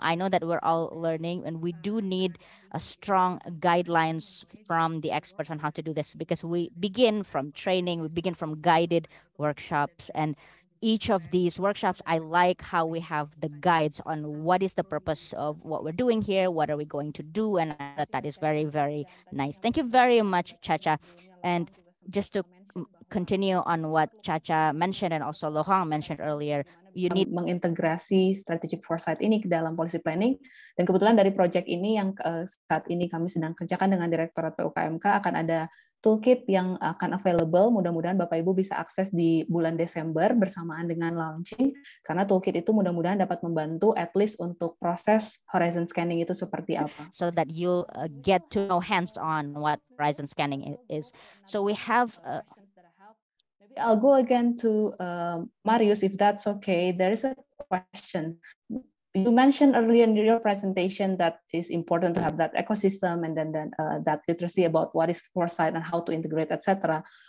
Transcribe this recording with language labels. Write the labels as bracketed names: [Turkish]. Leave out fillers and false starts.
[English] I know that we're all learning, and we do need a strong guidelines from the experts on how to do this, because we begin from training, we begin from guided workshops, and each of these workshops, I like how we have the guides on what is the purpose of what we're doing here, what are we going to do, and that is very, very nice. Thank you very much, Chacha. And just to continue on what Chacha mentioned and also Laurent mentioned earlier, you need [Indonesian] mengintegrasi strategic foresight ini ke dalam policy planning. Dan kebetulan dari project ini yang saat ini kami sedang kerjakan dengan Direktorat PUKMK akan ada toolkit yang akan available, mudah-mudahan Bapak-Ibu bisa akses di bulan Desember bersamaan dengan launching, karena toolkit itu mudah-mudahan dapat membantu [English] at least [Indonesian] untuk proses horizon scanning itu seperti apa. [English] So that you get to know hands-on what horizon scanning is. So we have... Maybe I'll go again to Marius, if that's okay. There is a question. You mentioned earlier in your presentation that it's important to have that ecosystem and then that literacy about what is foresight and how to integrate, etc.